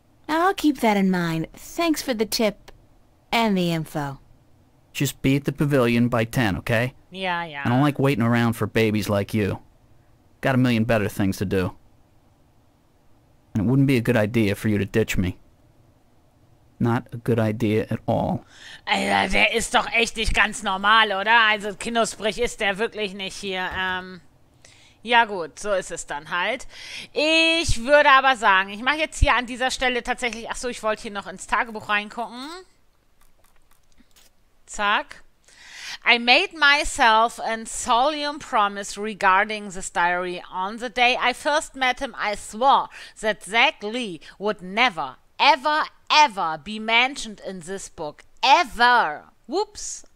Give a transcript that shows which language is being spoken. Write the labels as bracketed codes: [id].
[en] I'll keep that in mind. Thanks for the tip and the info. Just be at the pavilion by 10, okay? Yeah. I don't like waiting around for babies like you. Got a million better things to do. And it wouldn't be a good idea for you to ditch me. Not a good idea at all. [de] Alter, der ist doch echt nicht ganz normal, oder? Also, Kindersprich ist der wirklich nicht hier. Ja gut, so ist es dann halt. Ich würde aber sagen, ich mache jetzt hier an dieser Stelle tatsächlich... Achso, ich wollte hier noch ins Tagebuch reingucken. Zack. [en] I made myself a solemn promise regarding this diary. On the day I first met him, I swore that Zach Lee would never, ever, ever be mentioned in this book. Ever. Whoops.